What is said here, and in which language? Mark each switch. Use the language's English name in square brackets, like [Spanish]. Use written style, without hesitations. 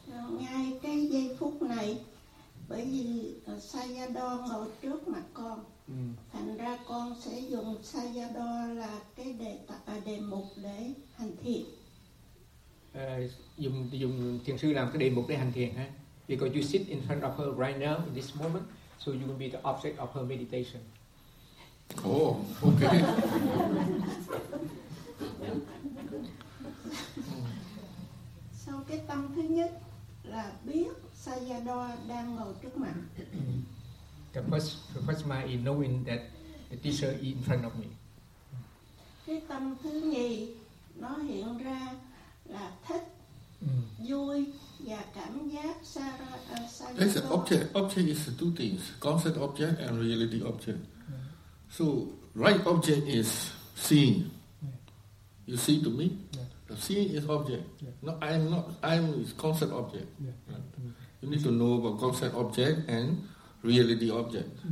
[Vietnamese] Ngay cái giây phút này, bởi vì Sayado ngồi trước mặt con, thành ra con sẽ dùng Sayado là cái đề mục để hành thiền. Dùng thiền sư làm cái đề mục để hành thiền ha? [English] Because you sit in front of her right now, in this moment, so you will be the object of her meditation. Oh, okay. [Vietnamese] Sau cái tâm thứ nhất, là biết Sayado đang ngồi trước mặt. [English] The first mind is knowing that the teacher is in front of me. [Vietnamese] Cái tâm thứ nhì nó hiện ra là thích, vui và cảm giác Sayado. [English] It's an object. Object is two things: concept object and reality object. So right object is seeing. You see to me. Seeing is object. Yeah. No, I am not. I am is concept object. Yeah. Right. You need to know about concept object and reality object.